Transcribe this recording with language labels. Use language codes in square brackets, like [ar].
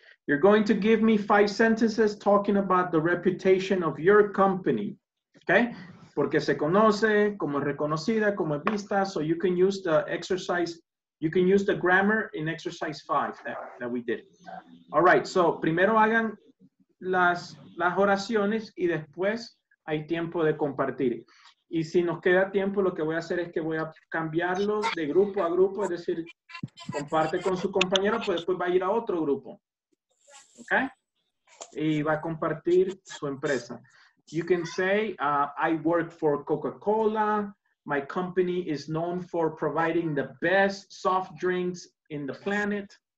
[en] You're going to give me 5 sentences talking about the reputation of your company. Okay? [es] Porque se conoce, como es reconocida, como es vista. [en] So you can use the exercise, you can use the grammar in exercise 5 that we did. All right, so [es] primero hagan las oraciones y después hay tiempo de compartir. Y si nos queda tiempo, lo que voy a hacer es que voy a cambiarlo de grupo a grupo, es decir, comparte con su compañero, pues después va a ir a otro grupo. Okay? Y va a compartir su empresa. [en] You can say, I work for Coca-Cola. My company is known for providing the best soft drinks in the planet.